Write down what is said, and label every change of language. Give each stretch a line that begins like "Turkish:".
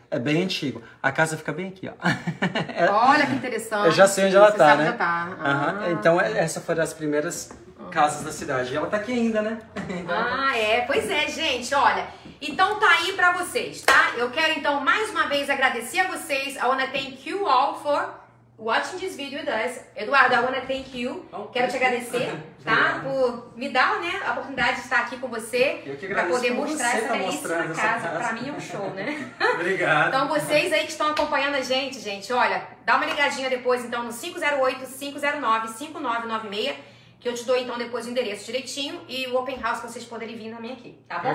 Portuguese: É bem antigo. A casa fica bem aqui, ó. Olha que interessante. Eu já sei onde ela está, né? Você sabe onde ela está. Uhum. Então, essas foram as primeiras casas da cidade. E ela está aqui ainda, né? Pois é, gente, olha... Então tá aí pra vocês, tá? Eu quero então mais uma vez agradecer a vocês.
English: I wanna thank you all for watching this video with us. Eduardo, I wanna thank you. Oh,
Portuguese: quero te agradecer, tá? Por me dar, né, a oportunidade de estar aqui com você. Eu que agradeço. Pra poder mostrar essa belíssima casa. Pra mim é um show, né? Obrigado. Então, vocês aí que estão acompanhando a gente, olha, dá uma ligadinha depois, então, no 508-509-5996, que eu te dou, então, depois o endereço direitinho e o open house pra vocês poderem vir também aqui, tá bom?